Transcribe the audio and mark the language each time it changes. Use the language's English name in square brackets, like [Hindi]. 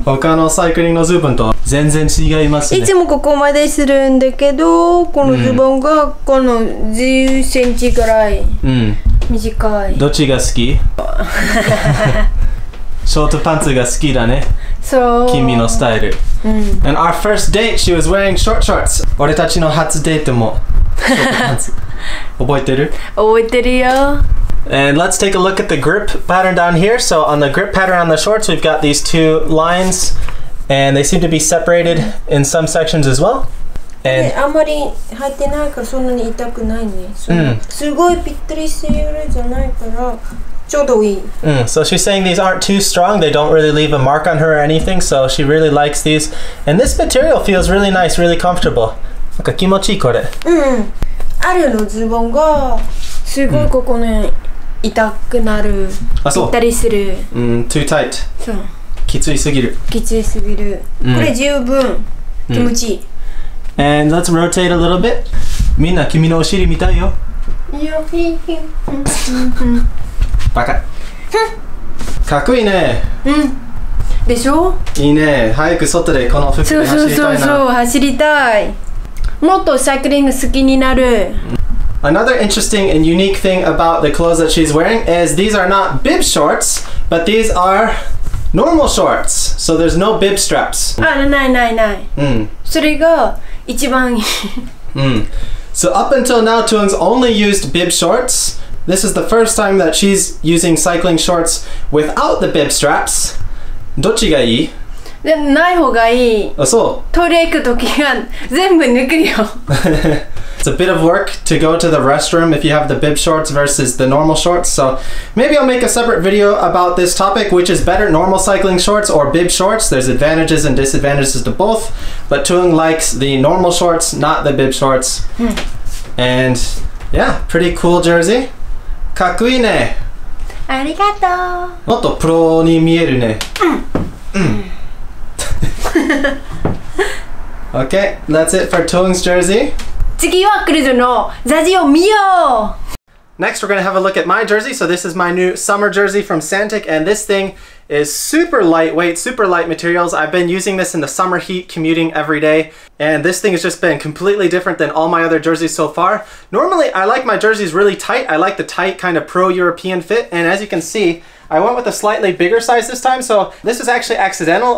[Japanese] 他のサイクリングのズボンと全然違いますね。いつもここまでするんだけど、このズボンがこの10センチぐらい。うん。短い。どっちが好き？ショートパンツが好きだね。そう。君のスタイル。うん。 [English] And our first date, she was wearing short shorts. [Japanese] 俺たちの初デートも。覚えてる？覚えてるよ。 [English] And let's take a look at the grip pattern down here. So on the grip pattern on the shorts, we've got these two lines, and they seem to be separated in some sections as well. And [Japanese] あんまり入ってないからそんなに痛くないね。すごいぴったりしてるじゃないから。 [English] Mm, so she's saying these aren't too strong, they don't really leave a mark on her or anything, so she really likes these. And this material feels really nice, really comfortable. [Japanese] なんか気持ちいいこれ。あるのズボンがすごいここね、痛くなる。あ、そう。ぴったりする。 [English] Too tight. [Japanese] そう。きついすぎる。きついすぎる。これ十分気持ちいい。 [English] And let's rotate a little bit. [Japanese] みんな君のお尻見たいよ。よひひ。バカ。かっこいいね。うん。でしょ？いいね。早く外でこの服で走りたいな。そうそうそう、走りたい。もっとサイクリング好きになる。 [English] Another interesting and unique thing about the clothes that she's wearing is these are not bib shorts, but these are normal shorts. So there's no bib straps. [Japanese] あ、ないないない。それが一番いい。 [English] So up until now, Tuan's only used bib shorts. This is the first time that she's using cycling shorts without the bib straps. [Japanese] どっちがいい？でない方がいい。あ、そう。トイレ行くときは全部抜くよ。 [English] It's a bit of work to go to the restroom if you have the bib shorts versus the normal shorts. So maybe I'll make a separate video about this topic, which is better, normal cycling shorts or bib shorts. There's advantages and disadvantages to both. But Tuan likes the normal shorts, not the bib shorts. And... Yeah, pretty cool jersey. [Japanese] かっこいいね。ありがとう。もっとプロに見えるね。 [English] Okay, that's it for Tuan's jersey. [Japanese] 次はクリスのジャージを見よう。 [English] Next, we're gonna have a look at my jersey. So this is my new summer jersey from Santic, and this thing is super lightweight, super light materials. I've been using this in the summer heat, commuting every day, and this thing has just been completely different than all my other jerseys so far. Normally, I like my jerseys really tight. I like the tight kind of pro-European fit, and as you can see, I went with a slightly bigger size this time, so this is actually accidental.